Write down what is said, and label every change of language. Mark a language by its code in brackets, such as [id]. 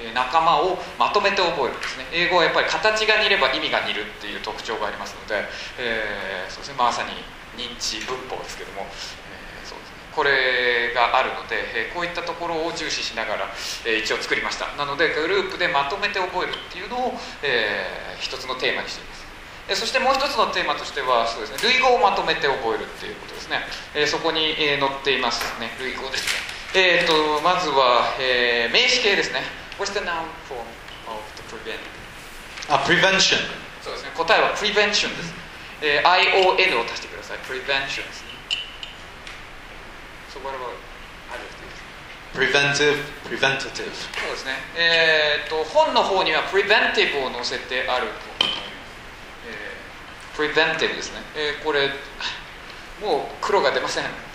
[ja] 仲間をまとめて覚えるんですね。英語はやっぱり形が似れば意味が似るっていう特徴がありますので、そうですね、まさに認知文法ですけども、そうですね、これがあるので、こういったところを重視しながら、一応作りました。なのでグループでまとめて覚えるっていうのを、一つのテーマにしています。そしてもう一つのテーマとしてはそうですね、類語をまとめて覚えるっていうことですね。そこに、載っていますね、類語ですね。まずは、名詞形ですね。 [en] What's the noun form of the prevent? Prevention. [ja] そうですね。答えは prevention です。I-O-N を足してください。Prevention ですね。 [en] So what about adjectives? Preventive, preventative. [ja] そうですね。本の方には preventive を載せてあると思います。Preventive ですね。これ、もう黒が出ません。